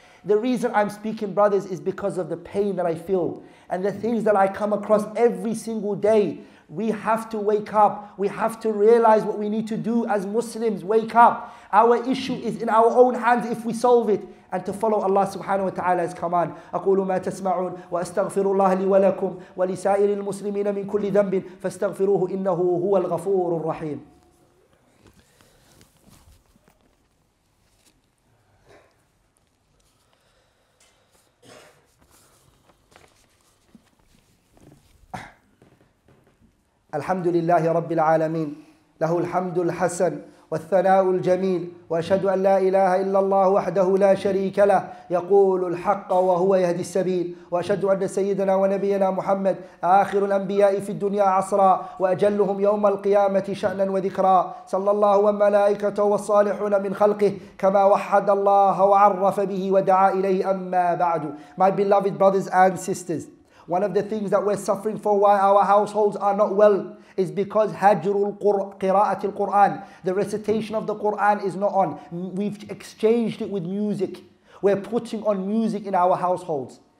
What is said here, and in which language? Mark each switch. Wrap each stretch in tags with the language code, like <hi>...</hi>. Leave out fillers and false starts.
<en>The reason I'm speaking, brothers, is because of the pain that I feel and the things that I come across every single day. We have to wake up. We have to realize what we need to do as Muslims. Wake up. Our issue is in our own hands if we solve it. And to follow Allah subhanahu wa ta'ala's command.</en> <ar>أقول ما تسمعون وأستغفر الله لي ولكم ولسائر المسلمين من كل ذنب فاستغفروه إنه هو الغفور الرحيم. الحمد لله رب العالمين له الحمد الحسن والثناء الجميل وأشهد أن لا إله إلا الله وحده لا شريك له يقول الحق وهو يهدي السبيل وأشهد أن سيدنا ونبينا محمد آخر الأنبياء في الدنيا عصرا وأجلهم يوم القيامة شأنا وذكرا صلى الله وملائكته والصالحون من خلقه كما وحد الله وعرف به ودعا إليه أما بعد.</ar> <en>My beloved brothers and sisters, one of the things that we're suffering for, why our households are not well, is because</en> <ar>hajrul qira'at al-Qur'an,</ar> <en>the recitation of the Qur'an is not on. We've exchanged it with music. We're putting on music in our households.</en>